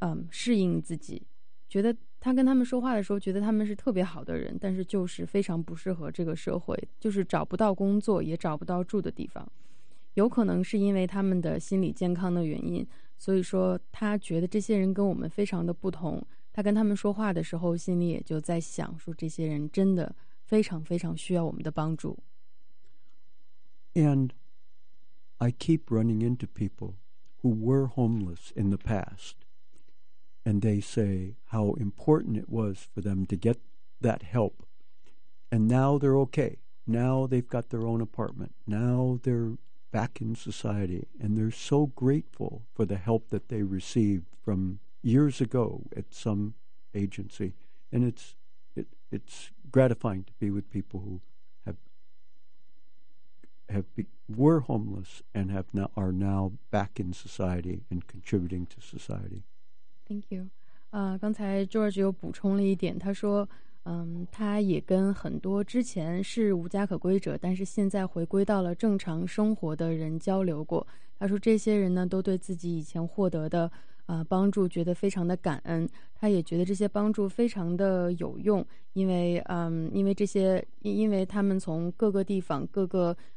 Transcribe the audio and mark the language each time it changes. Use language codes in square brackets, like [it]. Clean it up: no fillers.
[zh] 适应自己，觉得他跟他们说话的时候觉得他们是特别好的人，但是就是非常不适合这个社会，就是找不到工作也找不到住的地方，有可能是因为他们的心理健康的原因，所以说他觉得这些人跟我们非常的不同，他跟他们说话的时候心里也就在想说这些人真的非常非常需要我们的帮助。 [en] And I keep running into people who were homeless in the past, and they say how important it was for them to get that help. And now they're okay. Now they've got their own apartment. Now they're back in society, and they're so grateful for the help that they received from years ago at some agency. And it's gratifying to be with people who were homeless and are now back in society and contributing to society. Thank you. [zh] 刚才 George 又补充了一点，他说，他也跟很多之前是无家可归者，但是现在回归到了正常生活的人交流过。他说这些人呢，都对自己以前获得的帮助觉得非常的感恩，他也觉得这些帮助非常的有用，因为因为他们从各个地方各个